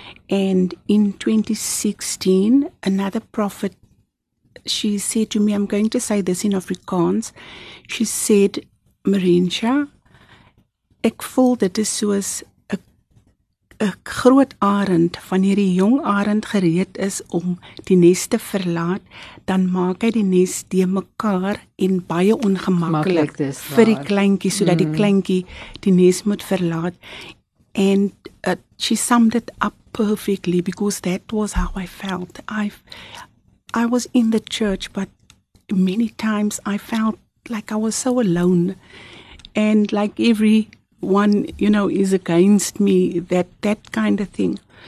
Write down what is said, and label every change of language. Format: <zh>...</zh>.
<en>And in 2016, another prophet, she said to me, I'm going to say this in Afrikaans, she said, Marinsha,</en> <af>ek voel dit is soos 'n groot arend. Wanneer die jong arend gereed is om die nes te verlaat, dan maak hy die nes deurmekaar en baie ongemaklik vir die kleintjie, sodat die kleintjie die nes moet verlaat.</af> <en>And she summed it up perfectly, because that was how I felt. I was in the church, but many times I felt like I was so alone, and like everyone, you know, is against me, that kind of thing.</en>